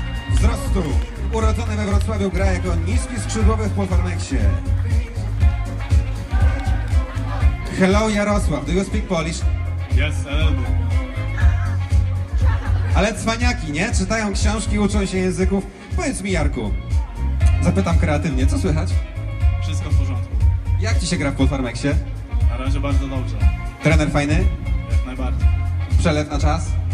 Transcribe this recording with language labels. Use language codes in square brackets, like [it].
[pl] Wzrostu. Urodzony we Wrocławiu, gra jako niski skrzydłowy w Polformexie. [en] Hello Jarosław, do you speak Polish? Yes, a little bit. [pl] Ale cwaniaki, nie? Czytają książki, uczą się języków. Powiedz mi, Jarku, zapytam kreatywnie, co słychać? Wszystko w porządku. Jak ci się gra w Polformexie? Na razie bardzo dobrze. Trener fajny? Jak najbardziej. Przelew na czas?